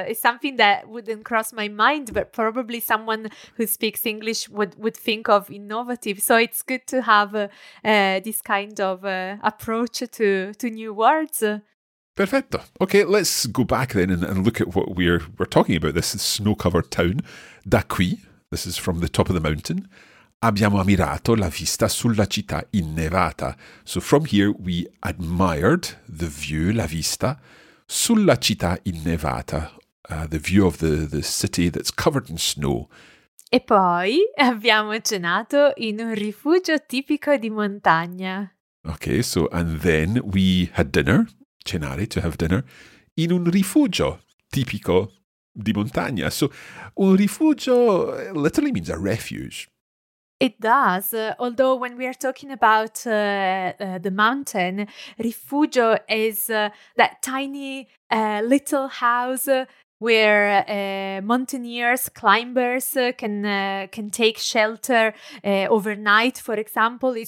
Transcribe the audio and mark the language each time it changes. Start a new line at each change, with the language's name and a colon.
English: It's something that wouldn't cross my mind, but probably someone who speaks English would think of innovative. So it's good to have this kind of approach to new words.
Italian: Perfetto.
English: Okay, let's go back then and look at what we're talking about. This is snow-covered town.
Italian: Da qui,
English: this is from the top of the mountain,
Italian: abbiamo ammirato la vista sulla città innevata.
English: So from here, we admired the view,
Italian: la vista, sulla città innevata,
English: the view of the city that's covered in snow.
Italian: E poi abbiamo cenato in un rifugio tipico di montagna.
English: Okay, so and then we had dinner.
Italian: Cenare,
English: to have dinner,
Italian: in un rifugio tipico di montagna.
English: So, un rifugio literally means a refuge. It does. Although when we are talking about the mountain, rifugio is that tiny little house where mountaineers, climbers can take shelter overnight, for example.